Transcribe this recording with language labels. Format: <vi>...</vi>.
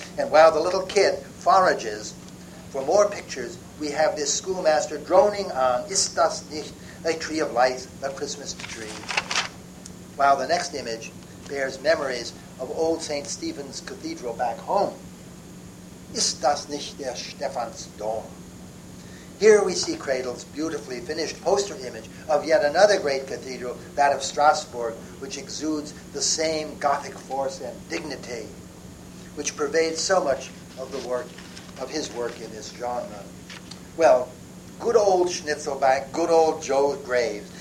<en>And while the little kid forages for more pictures, we have this schoolmaster droning on,</en> <de>ist das nicht</de> <en>a tree of life, a Christmas tree? While the next image bears memories of old St. Stephen's Cathedral back home.</en> <de>Ist das nicht der Stephansdom?</de> <en>Here we see Cradle's beautifully finished poster image of yet another great cathedral, that of Strasbourg, which exudes the same Gothic force and dignity which pervades so much of the work of his work in this genre. Well, good old Schnitzelbank, good old Joe Graves.</en>